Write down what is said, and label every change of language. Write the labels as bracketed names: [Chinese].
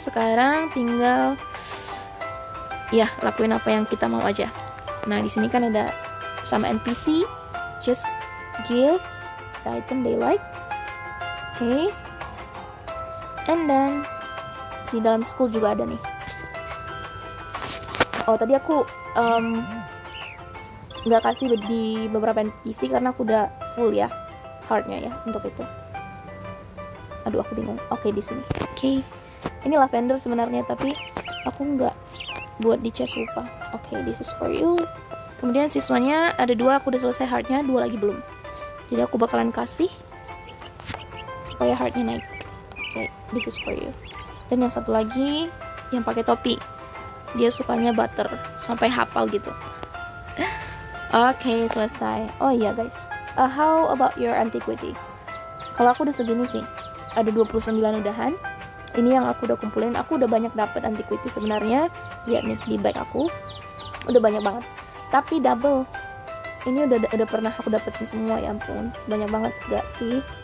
[Indonesian] Sekarang tinggal ya, lakuin apa yang kita mau aja. Nah, di sini kan ada sama NPC. [English] Just give the item they like. [Indonesian] Okay. [English] And then [Indonesian] di dalam school juga ada nih. Oh, tadi aku gak kasih di beberapa NPC karena aku udah full ya heart-nya ya untuk itu. Aduh, aku bingung. Okay, di sini. Okay. Ini lavender sebenarnya, tapi aku gak buat di chest, lupa. [English] Okay, this is for you. [Indonesian] Kemudian siswanya ada 2, aku udah selesai heartnya, 2 lagi belum. Jadi aku bakalan kasih supaya heartnya naik. [English] Okay, this is for you. [Indonesian] Dan yang satu lagi yang pakai topi, dia sukanya butter sampai hafal gitu. Okay, selesai. [English] Oh iya guys, how about your antiquity? [Indonesian] Kalau aku udah segini sih, ada 29 udahan. Ini yang aku udah kumpulin. Aku udah banyak dapet antiquity sebenarnya. Lihat nih di bag aku, udah banyak banget. Tapi double. Ini udah pernah aku dapetin semua, ya ampun. Banyak banget gak sih?